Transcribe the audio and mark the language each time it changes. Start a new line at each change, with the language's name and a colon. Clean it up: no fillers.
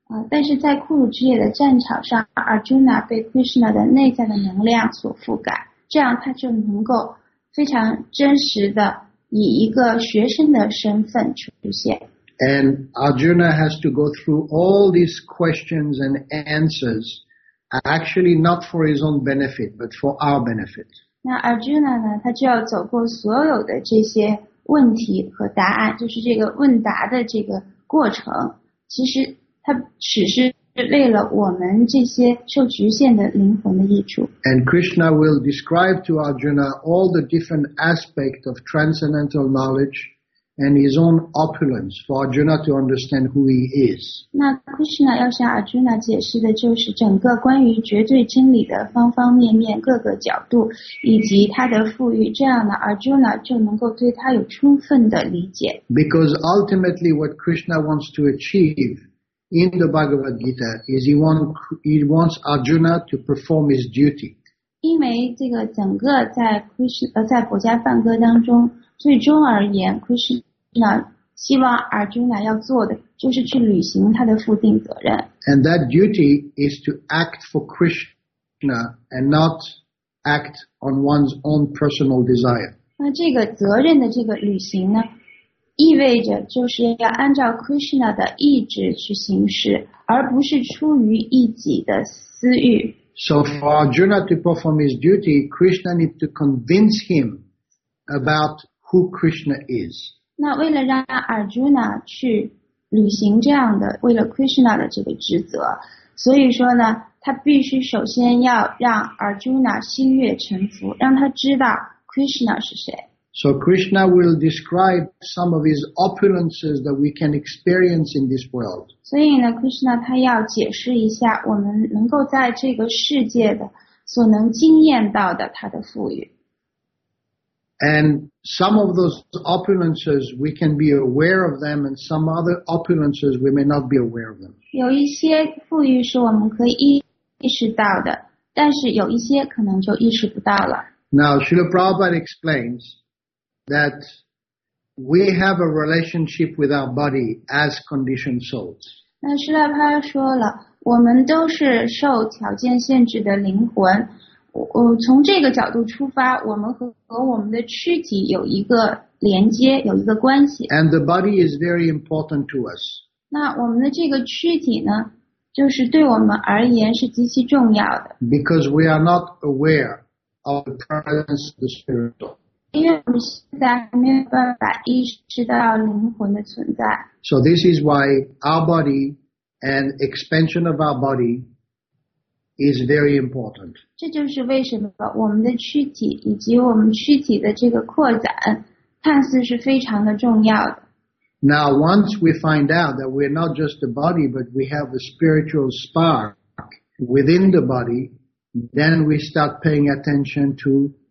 Chinese: 但是在库鲁之野的战场上， Arjuna 被 Krishna 的内在的能量所覆盖，这样他就能够非常真实的以一个学生的身份出现。
English: And Arjuna has to go through all these questions and answers, actually not for his own benefit, but for our benefit.
Chinese: 那 Arjuna 呢，他就要走过所有的这些问题和答案，就是这个问答的这个过程。其实他只是为了我们这些受局限的灵魂的益处。
English: And Krishna will describe to Arjuna all the different aspects of transcendental knowledge and his own opulence for Arjuna to understand who he is.
Chinese: 那 Krishna 要向 Arjuna 解释的就是整个关于绝对真理的方方面面、各个角度以及他的富裕，这样呢 Arjuna 就能够对他有充分的理解。
English: Because ultimately what Krishna wants to achieveIn the Bhagavad Gita, is he wants Arjuna to perform his duty.
Chinese: 因为这个整个在 Krishna 在佛家梵歌当中，最终而言 ，Krishna 希望 Arjuna 要做的就是去履行他的负定责任。
English: And that duty is to act for Krishna and not act on one's own personal desire.
Chinese: 那这个责任的这个履行呢？意味着就是要按照 Krishna 的意志去行事，而不是出于一己的私欲。
English: So for Arjuna to perform his duty, Krishna needs to convince him about who Krishna is.
Chinese: 那为了让 Arjuna 去履行这样的为了 Krishna 的这个职责，所以说呢，他必须首先要让 Arjuna 心悦诚服，让他知道 Krishna 是谁。
English: So Krishna will describe some of his opulences that we can experience in this world.
Chinese: 所以呢 ，Krishna 他要解释一下我们能够在这个世界的所能经验到的他的富裕。
English: And some of those opulences we can be aware of them, and some other opulences we may not be aware of them.
Chinese: 有一些富裕是我们可以意识到的，但是有一些可能就意识不到了。
English: Now Srila Prabhupada explains. That we have a relationship with our body as conditioned souls.
Chinese: 那施拉帕说了，我们都是受条件限制的灵魂。从这个角度出发，我们和我们的躯体有一个连接，有一个关系。
English: And the body is very important to us.
Chinese: 那我们的这个躯体呢，就是对我们而言是极其重要的。
English: Because we are not aware of the presence of the spiritual.
Chinese: 因为我们现在还没有办法意识到灵魂的存在。
English: So this is why our body and expansion of our body is very important.
Chinese: 这就是为什么我们的躯体以及我们躯体的这个扩展看似是非常的重要的。
English: Now once we find out that we're not just a body, but we have a spiritual spark within the body, then we start paying attention to